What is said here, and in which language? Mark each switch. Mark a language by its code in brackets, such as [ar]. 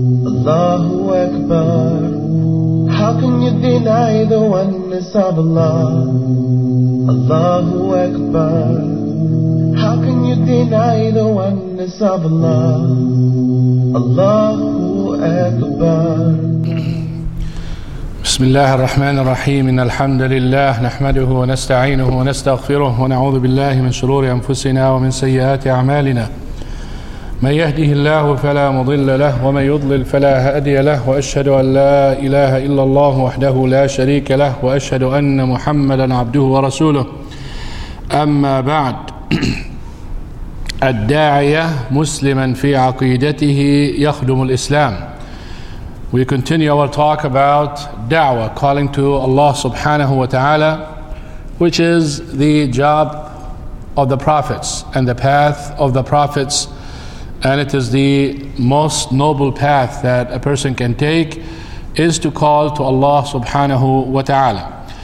[en] Allahu Akbar. How can you deny the oneness of Allah? Allahu Akbar. How can you deny the oneness of Allah? Allahu Akbar. [ar] بسم الله الرحمن الرحيم إن الحمد لله نحمده ونستعينه ونستغفره ونعوذ بالله من شرور أنفسنا ومن سيئات أعمالنا من يهده الله فلا مضل له ومن يضلل فلا هادي له وأشهد أن لا إله إلا الله وحده لا شريك له وأشهد أن محمدا عبده ورسوله أما بعد الداعية مسلما في عقيدته يخدم الإسلام. [en] We continue our talk about da'wah, calling to Allah subhanahu wa ta'ala, which is the job of the prophets and the path of the prophets, and it is the most noble path that a person can take, is to call to Allah subhanahu wa ta'ala.